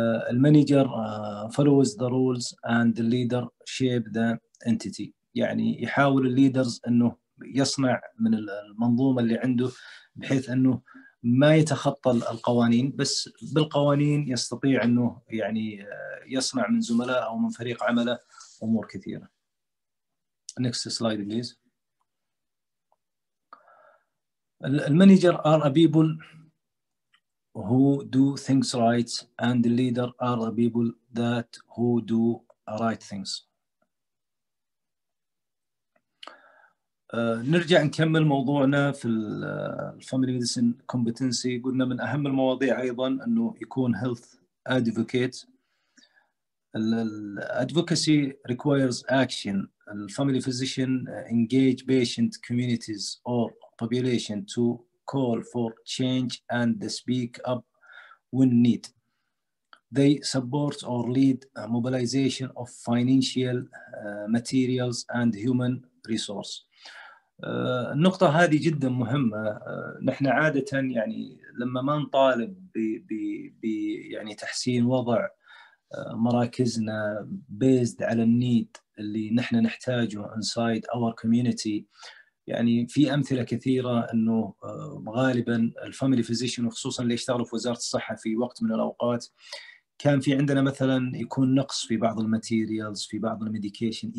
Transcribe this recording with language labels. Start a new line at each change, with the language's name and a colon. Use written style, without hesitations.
Arabic: المانجر
English: follows the rules and the leader shape the entity
Arabic: يعني يحاول الليدرز أنه يصنع من المنظومة اللي عنده بحيث أنه ما يتخطى القوانين بس بالقوانين يستطيع أنه يعني يصنع من زملاء أو من فريق عمله أمور كثيرة.
English: Next slide please. المانجر are a people who do things right and the leader are a people that who do right things.
Arabic: نرجع نكمل موضوعنا في الفاميلي ميديسن كومبتنسي. قلنا من أهم المواضيع أيضا أنه يكون
English: health advocate. Advocacy requires action. Family physician engage patient communities or population to call for change and speak up when need. They support or lead a mobilization of financial materials and human resource.
Arabic: النقطة هذه جدا مهمة. نحن عادة يعني لما ما نطالب يعني تحسين وضع مراكزنا based على النيد اللي نحن نحتاجه
English: inside our community,
Arabic: يعني في أمثلة كثيرة أنه غالبا الفاميلي فيزيشن وخصوصا اللي يشتغلوا في وزارة الصحة في وقت من الأوقات كان في عندنا مثلا يكون نقص في بعض الماتيريالز في بعض الميديكيشن.